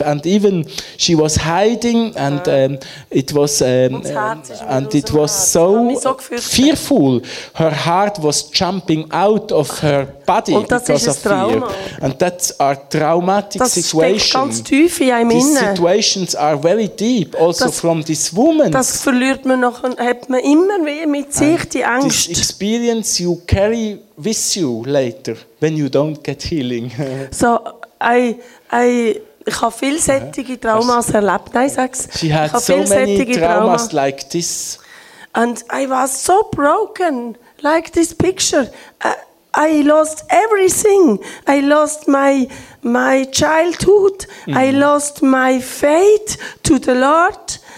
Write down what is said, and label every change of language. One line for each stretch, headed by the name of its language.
English: And even she was hiding and it was and it was so fearful. Her heart was jumping out of her body because of fear. And that are traumatic situations. These situations are very deep also from this woman.
German: Das verliert man noch und hat man immer wieder mit sich die Angst.
English: This experience you carry with you later when you don't get healing.
German: So ich habe viel solche Traumas erlebt. Nein, sag's.
English: She had so many traumas like this. And I was so broken, like this picture. I lost everything. I lost my childhood. Mm. I lost my faith to the Lord.